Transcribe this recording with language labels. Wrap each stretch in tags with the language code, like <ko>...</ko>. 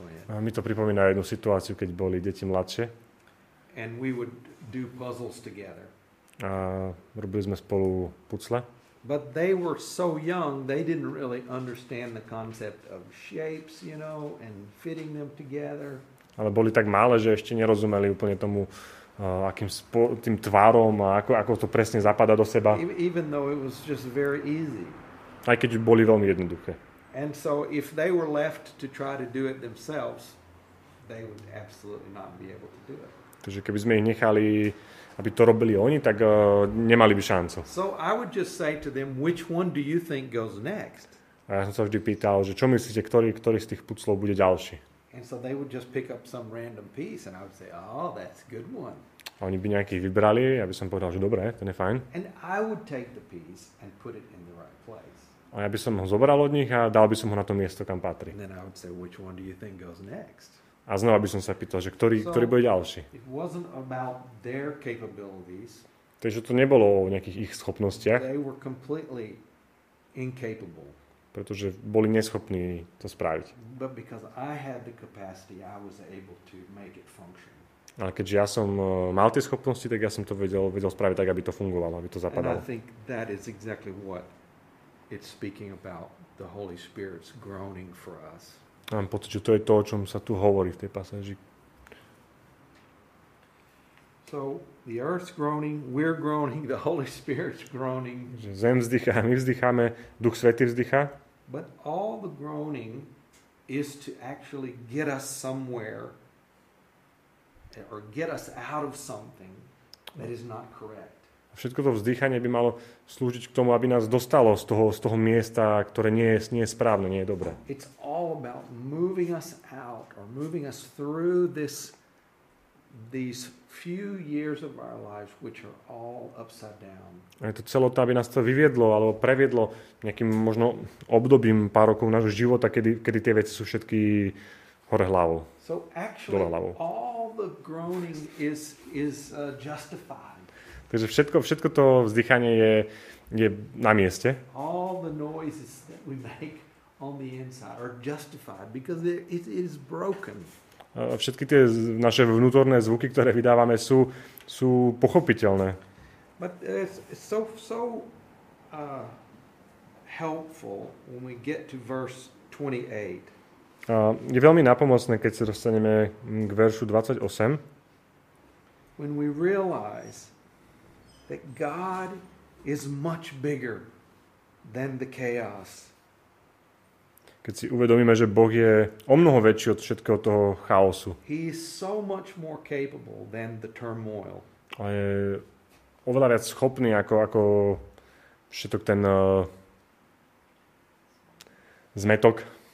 <sk>A mi to pripomína jednu situáciu, keď boli deti mladšie.</sk> <en>And we would do puzzles together.</en> <sk>A robili sme spolu pucle.</sk> <en>But they were so young, they didn't really understand the concept of shapes, you know, and fitting them together.</en> <sk>Ale boli tak malé, že ešte nerozumeli úplne tomu, akým tým tvarom a ako to presne zapadá do seba.</sk> <en>Even though it was just very easy.</en> <sk>Aj keď boli veľmi jednoduché.</sk> <en>And so if they were left to try to do it themselves, they would absolutely not be able to do it.</en> <sk>Takže keby sme ich nechali, aby to robili oni, tak nemali by šancu.</sk> <en>So I would just say to them, which one do you think goes next?</en> <sk>A ja som sa vždy pýtal, že čo myslíte, ktorý z tých puclov bude ďalší?</sk> <en>And so they would just pick up some random piece and I would say, oh, that's a good one.</en> <sk>A oni by nejaký vybrali, ja by som povedal, že dobre, ten je fajn.</sk> <en>And I would take the piece and put it in the right place.</en> <sk>A ja by som ho zobral od nich a dal by som ho na to miesto, kam patrí.</sk> <en>And then I would say, which one do you think goes next?</en> <sk>A znova by som sa pýtal, že ktorý bude ďalší.</sk> <en>It wasn't about their capabilities.</en> <sk>Takže to nebolo o nejakých ich schopnostiach.</sk> <en>They were completely incapable.</en> <sk>Pretože boli neschopní to spraviť.</sk> <en>But because I had the capacity, I was able to make it function.</en> <sk>A keďže ja som mal tie schopnosti, tak ja som to vedel spraviť tak, aby to fungovalo, aby to zapadalo.</sk> <en>And I think that is exactly what it's speaking about, the Holy Spirit's groaning for us.</en> <sk>Mám pocit, že to je to, o čom sa tu hovorí v tej pasáži.</sk> <en>So the earth's groaning, we're groaning, the Holy Spirit's groaning.</en> <sk>Zem vzdychá, my vzdycháme, Duch Svätý vzdychá.</sk> <en>But all the groaning is to actually get us somewhere or get us out of something that is not correct.</en> <sk>Všetko to vzdychanie by malo slúžiť k tomu, aby nás dostalo z toho miesta, ktoré nie je správne, nie je dobré.</sk> <en>It's all about moving us out or moving us through these few years of our lives which are all upside down.</en> <sk>A je to celé to, aby nás to vyviedlo alebo previedlo nejakým možno obdobím pár rokov nášho života, kedy tie veci sú všetky hore hlavou.</sk> <en>So actually all the groaning is justified.</en> <sk>Takže všetko to vzdychanie je na mieste.</sk> <en>All the noises that we make on the inside are justified because it is broken.</en> <sk>Všetky tie naše vnútorné zvuky, ktoré vydávame, sú pochopiteľné.</sk> <en>But it's so helpful when we get to verse 28.</en> <sk>Je veľmi napomocné, keď sa dostaneme k veršu 28.</sk> <en>When we realize that God is much bigger than the chaos.</en> <sk>Keď si uvedomíme, že Boh je o mnoho väčší od všetkého toho chaosu.</sk> <en>He is so much more capable than the turmoil.</en> <sk>A je oveľa viac schopný ako všetok ten zmetok.</sk>